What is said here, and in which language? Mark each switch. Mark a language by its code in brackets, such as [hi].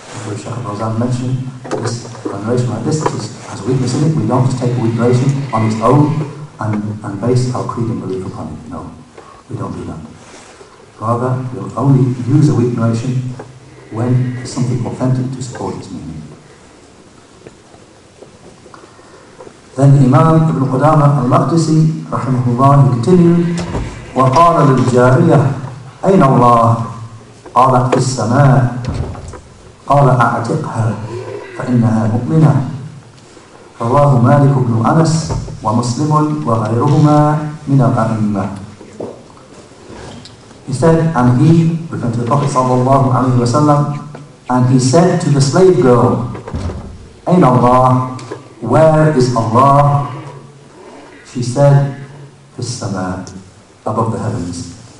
[en] As Shaykh al-Fawzan mentioned, this narration like this, this has weakness in it. We don't just take a weak narration on its own and base our creed and belief upon it. No, we don't do that. Rather, we'll only use a weak narration when there's something authentic to support its meaning. Then Imam Ibn Qudama al-Maqdisi, rahimahullah, he continued, [ar] وَقَالَ لِلْجَارِيَةِ أَيْنَ اللَّهِ قَالَتْ فِي السَّمَاءِ قَالَ أَعْتِقْهَا فَإِنَّهَا مُؤْمِنَةٌ فَاللَّهُ مَالِكُ بْنُ أَنَسْ وَمُسْلِمٌ وَغَيْرُهُمَا مِنَ الْأَئِمَّةِ. [en] He said, and he referred to the Prophet sallallahu alayhi wa sallam, and he said to the slave girl, [ar] أَيْنَ اللَّهِ, [en] where is Allah? She said, [ar] فِي السَّمَاءِ, [en] above the heavens.